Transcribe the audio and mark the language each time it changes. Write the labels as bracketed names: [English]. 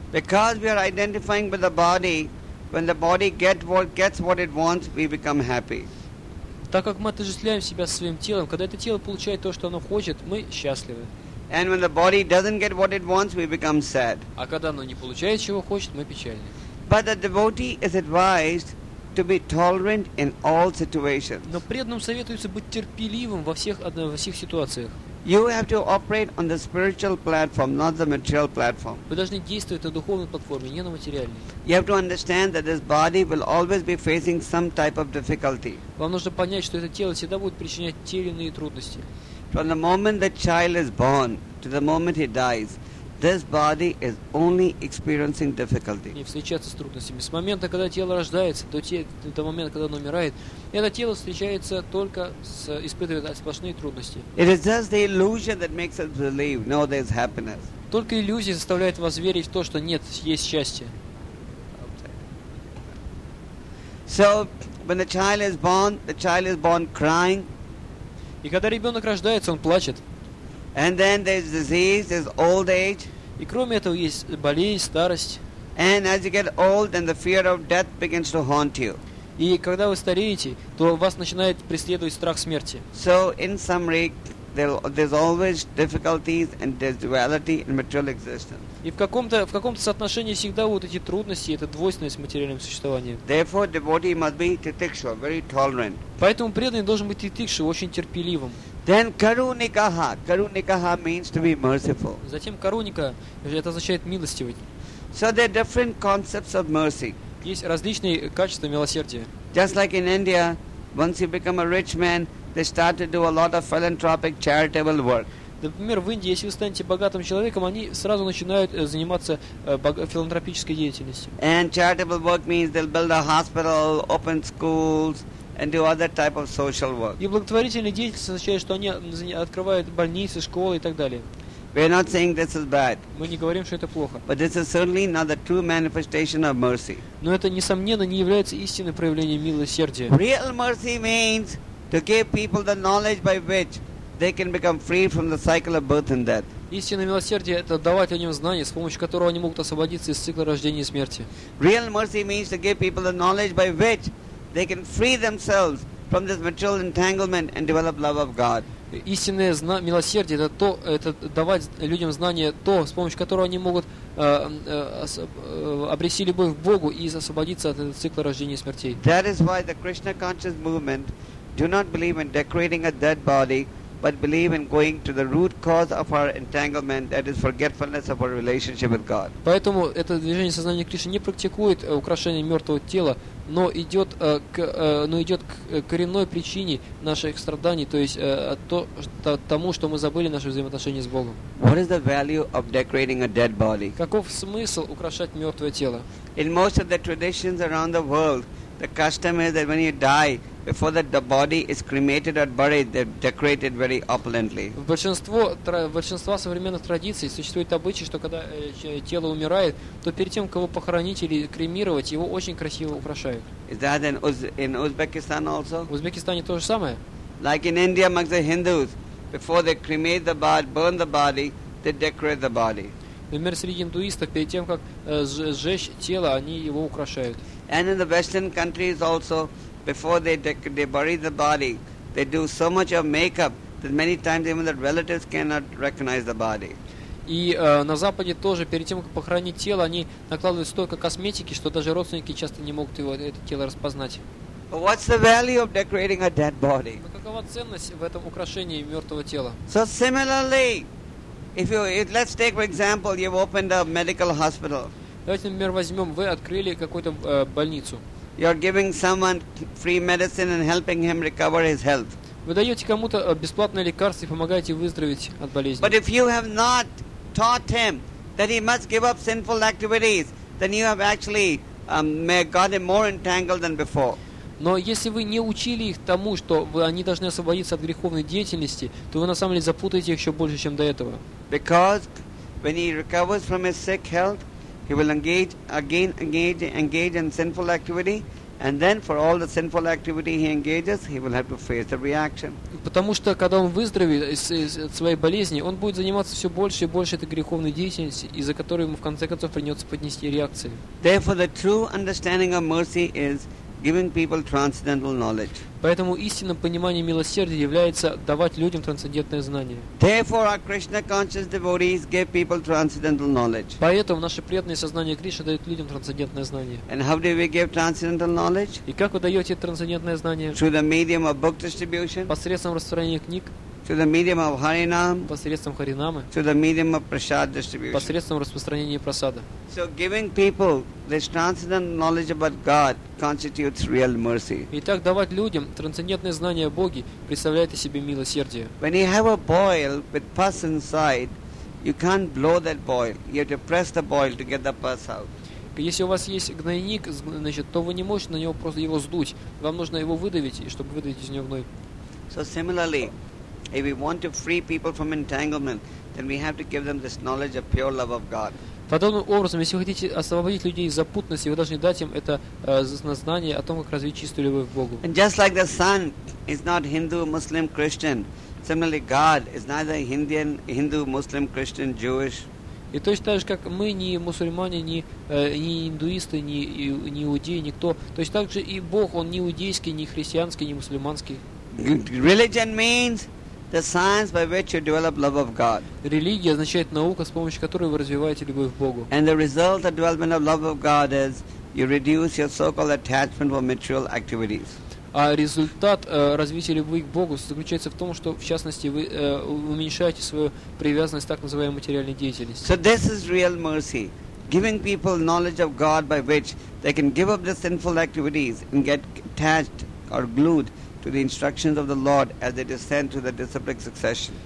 [English] Because we are identifying with the body, when the body gets what it wants, we become happy. [Russian] Так как мы отождествляем себя со своим телом, когда это тело получает то, что оно хочет, мы счастливы. [English] And when the body doesn't get what it wants, we become sad. [Russian] А когда оно не получает чего хочет, мы печальны. [English] But the devotee is advised to be tolerant in all situations. [Russian] Но преданным советуется быть терпеливым во всех ситуациях. [English] You have to operate on the spiritual platform, not the material platform. [Russian] Вы должны действовать на духовной платформе, не на материальной. [English] You have to understand that this body will always be facing some type of difficulty. [Russian] Вам нужно понять, что это тело всегда будет причинять те или иные трудности. [English] From the moment the child is born to the moment he dies, this body is only experiencing difficulty. [Russian] Не встречаться с трудностями. С момента, когда тело рождается, до момента, когда оно умирает, это тело встречается только с испытывает сплошные трудности. [English] It is just the illusion that makes us believe, no, there is happiness. [Russian] Только иллюзия заставляет вас верить в то, что нет, есть счастье. [English] So, when the child is born, the child is born crying. [Russian] И когда ребенок рождается, он плачет. [English] And then there's disease, there's old age. [Russian] И кроме этого есть болезнь, старость. [English] And as you get old, then the fear of death begins to haunt you. [Russian] И когда вы стареете, то вас начинает преследовать страх смерти. [English] So in summary, there's always difficulties and there's duality in material existence. [Russian] И в каком-то соотношении всегда вот эти трудности, эта двойственность в материальном существовании. [English] Therefore, devotee must be titikshu, very tolerant. [Russian] Поэтому преданный должен быть титикшу, очень терпеливым. [English] Then karunikaha. Karunikaha means to be merciful. [Russian] Затем karunika, это означает милостивый. [English] So there are different concepts of mercy. [Russian] Есть различные качества милосердия. [English] Just like in India, once you become a rich man, they start to do a lot of philanthropic charitable work. [Russian] Например, в Индии, если вы станете богатым человеком, они сразу начинают заниматься филантропической деятельностью. [English] And charitable work means they'll build a hospital, open schools, and do other type of social work. [Russian] И благотворительная деятельность означает, что они открывают больницы, школы и так далее. [English] We are not saying this is bad. [Russian] Мы не говорим, что это плохо. [English] But this is certainly not the true manifestation of mercy. [Russian] Но это несомненно не является истинным проявлением милосердия. [English] Real mercy means to give people the knowledge by which they can become free from the cycle of birth and death. [Russian] Истинное милосердие — это давать о нем знания, с помощью которого они могут освободиться из цикла рождения и смерти. [English] Real mercy means to give people the knowledge by which they can free themselves from this material entanglement and develop love of God. [Russian] Истинное милосердие — это давать людям знания, то, с помощью которого они могут обрести любовь к Богу и освободиться от этого цикла рождения и смертей. [English] That is why the Krishna conscious movement do not believe in decorating a dead body but believe in going to the root cause of our entanglement, that is forgetfulness of our relationship with God. [Russian] Поэтому это движение сознания Кришны не практикует украшение мертвого тела, но идет к коренной причине наших страданий, то есть то тому, что мы забыли наши взаимоотношения с Богом. [English] What is the value of decorating a dead body? [Russian] Каков смысл украшать мертвое тело? [English] In most of the traditions around the world, the custom is that when you die, before that the body is cremated or buried, they decorate it very opulently. [Russian] В большинстве современных традиций существует обычай, что когда тело умирает, то перед тем, как его похоронить или кремировать, его очень красиво украшают. [English] Is that in Uzbekistan also? [Russian] В Узбекистане то же самое. [English] Like in India, among the Hindus, before they cremate the body, burn the body, they decorate the body. [Russian] Например, среди индуистов, перед тем, как сжечь тело, они его украшают. [English] And in the Western countries also, before they bury the body, they do so much of makeup that many times even the relatives cannot recognize the body. [Russian] И на Западе тоже, перед тем, как похоронить тело, они накладывают столько косметики, что даже родственники часто не могут его, это тело распознать. [English] But what's the value of decorating a dead body? [Russian] Но какова ценность в этом украшении мертвого тела? [English] So similarly, let's take for example, you've opened a medical hospital. [Russian] Давайте, например, возьмем, вы открыли какую-то больницу. [English] You're giving someone free medicine and helping him recover his health. [Russian] Вы даете кому-то бесплатное лекарство и помогаете выздороветь от болезни. [English] But if you have not taught him that he must give up sinful activities, then you have actually got him more entangled than before. [Russian] Но если вы не учили их тому, что они должны освободиться от греховной деятельности, то вы на самом деле запутаете их еще больше, чем до этого. [English] Because when he recovers from his sick health, he will engage in sinful activity, and then for all the sinful activity he engages, he will have to face the reaction. [Russian] Потому что когда он выздоровеет от своей болезни, он будет заниматься все больше и больше этой греховной деятельностью, из-за которой ему в конце концов придется поднести реакции. [English] Therefore, the true understanding of mercy is giving people transcendental knowledge. [Russian] Поэтому истинное понимание милосердия является давать людям трансцендентное знание. [English] Therefore, our Krishna conscious devotees give people transcendental knowledge. [Russian] Поэтому наши преданные сознание Кришны дают людям трансцендентное знание. [English] And how do we give transcendental knowledge? [Russian] И как вы даете трансцендентное знание? [English] Through the medium of book distribution. [Russian] Посредством распространения книг. [English] Through the medium of Harinam. [Russian] Посредством Харинамы. [English] Through the medium of prasad distribution. [Russian] Посредством распространения просада. [English] So giving people this transcendental knowledge about God constitutes real mercy. [Russian] Итак, давать людям трансцендентное знание о Боге представляет из себя милосердие. [English] When you have a boil with pus inside, you can't blow that boil. You have to press the boil to get the pus out. [Russian] Если у вас есть гнойник, значит, то вы не можете на него просто его сдуть. Вам нужно его выдавить, чтобы выдавить из него гной. [English] So similarly, if we want to free people from entanglement, then we have to give them this knowledge of pure love of God. [Russian] Подобным образом, если вы хотите освободить людей из запутанности, вы должны дать им это знание о том, как развить чистую любовь к Богу. [English] And just like the sun is not Hindu, Muslim, Christian, similarly God is neither Indian, Hindu, Muslim, Christian, Jewish. [Russian] И точно так же, как мы не мусульмане, не индуисты, не иудеи, никто, точно так же и Бог, Он не иудейский, не христианский, не мусульманский. [English] Religion means the science by which you develop love of God. [Russian] Религия означает наука, с помощью которой вы развиваете любовь к Богу. [English] And the result of development of love of God is you reduce your so-called attachment for material activities. [Russian] А результат развития любви к Богу заключается в том, что, в частности, вы уменьшаете свою привязанность к так называемой материальной деятельности. [English] So this is real mercy, giving people knowledge of God by which they can give up their sinful activities and get attached or glued to the instructions of the Lord as they descend to the disciplic succession.